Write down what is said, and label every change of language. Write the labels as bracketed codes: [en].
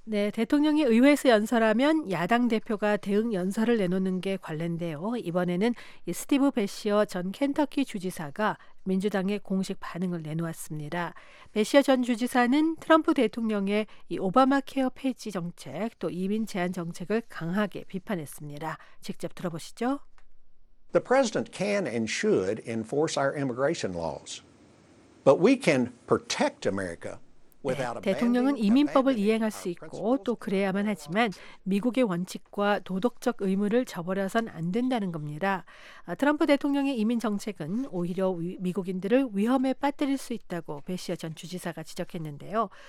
[ko] 네, 대통령이 의회에서 연설하면 야당 대표가 대응 연설을 내놓는 게 관례인데요. 이번에는 이 스티브 베시어 전 켄터키 주지사가 민주당의 공식 반응을 내놓았습니다. 베시어 전 주지사는 트럼프 대통령의 이 오바마 케어 폐지 정책 또 이민 제한 정책을 강하게 비판했습니다. 직접 들어보시죠. [en] The president can and should enforce our immigration laws, but we can protect America. [ko] 네, 대통령은 이민법을 이행할 수 있고 또 그래야만 하지만 미국의 원칙과 도덕적 의무를 저버려선 안 된다는 겁니다. 트럼프 대통령의 이민 정책은 오히려 미국인들을 위험에 빠뜨릴 수 있다고 베시어 전 주지사가 지적했는데요.